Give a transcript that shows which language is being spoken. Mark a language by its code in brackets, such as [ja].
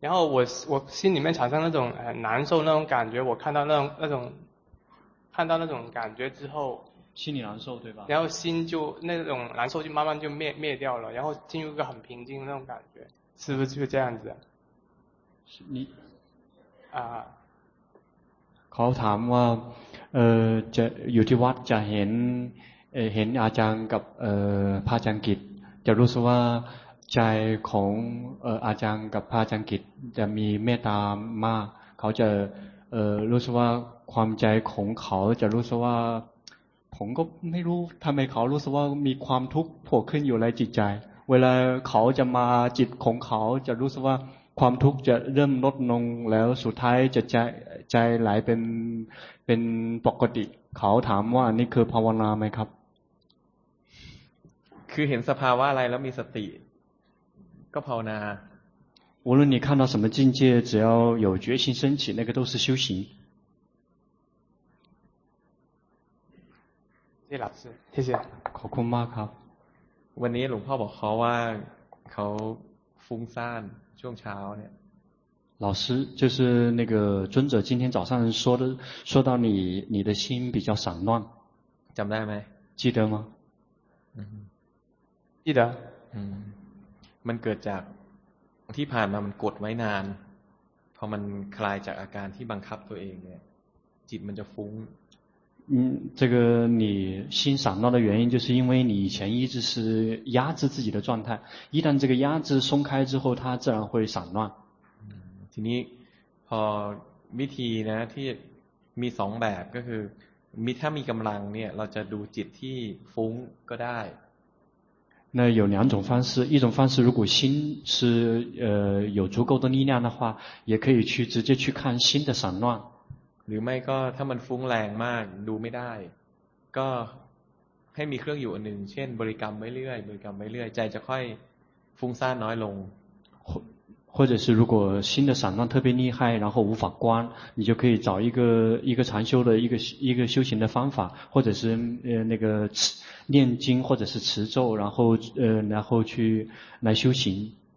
[zh] 然后我心里面产生那种很难受那种感觉，我看到那种感觉之后，心里难受对吧？然后心就那种难受就慢慢就灭掉了，然后进入一个很平静的那种感觉，是不是就这样子？你啊， [th] เขาถามว่าจะอยู่ที่วัดจะเห็นอาจารย์กับพระอาจารย์กิจจะรู้สึกว่าใจของอาจารย์กับพระอาจารย์กิจจะมีเมตตามากเขาจะ รู้สึกว่าความใจของเขาจะรู้สึกว่าผมก็ไม่รู้ทำไมเขารู้สึกว่ามีความทุกข์ผุดขึ้นอยู่ในจิตใจเวลาเขาจะมาจิตของเขาจะรู้สึกว่าความทุกข์จะเริ่มลดลงแล้วสุดท้ายจะใจไหลเป็นปกติเขาถามว่านี่คือภาวนาไหมครับ คือเห็นสภาวะอะไรแล้วมีสติก็ภาวนา [zh] 无论你看到什么境界只要有决心升起那个都是修行谢谢老师谢谢 [th] ขอบคุณมากครับ วันนี้หลวงพ่อบอกเขาว่าเขาฟุ้งซ่านช่วงเช้าเนี่ย [zh] 老师就是那个尊者今天早上说到你的心比较散乱 [th] จำได้ไหม [zh] 记得吗记得 [th] มันเกิดจากที่ผ่านมามันกดไว้นานพอมันคลายจากอาการที่บังคับตัวเองเนี่ยจิตมันจะฟุ้ง [zh] 这个你心散乱的原因就是因为你以前一直是压制自己的状态，一旦这个压制松开之后，它自然会散乱。 [th] ทีนี้พอวิธีนะที่มีสองแบบก็คือมีถ้ามีกำลังเนี่ยเราจะดูจิตที่ฟุ้งก็ได้ [zh] 那有两种方式，一种方式如果心是有足够的力量的话，也可以去直接去看心的散乱。 [th] หรือไม่ก็ถ้ามันฟุ้งแรงมากดูไม่ได้ก็ให้มีเครื่องอยู่อันหนึ่งเช่นบริกรรมไปเรื่อยบริกรรมไปเรื่อยใจจะค่อยฟุ้งซ่านน้อยลง [zh] 或者是如果心的散乱特别厉害，然后无法观，你就可以找一个禅修的一个修行的方法，或者是那个念经或者是持咒，然后去来修行。